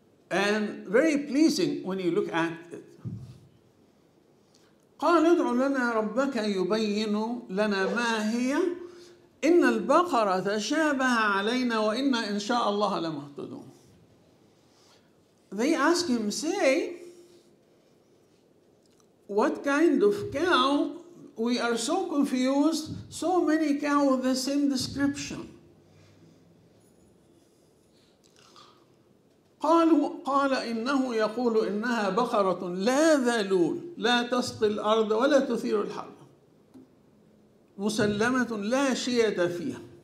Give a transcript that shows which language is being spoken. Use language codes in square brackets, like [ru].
[en] And very pleasing when you look at it. [ar] قال ادع لنا ربك يبين لنا ما هي إن البقرة تشابه علينا وإن إن شاء الله لمهتدون. [en] They ask him, say, what kind of cow? We are so confused, so many cows with the same description. [ar] قال إنه يقول إنها بقرة لا ذلول لا تسقي الأرض ولا تثير الحرب مسلمة لا شية فيها.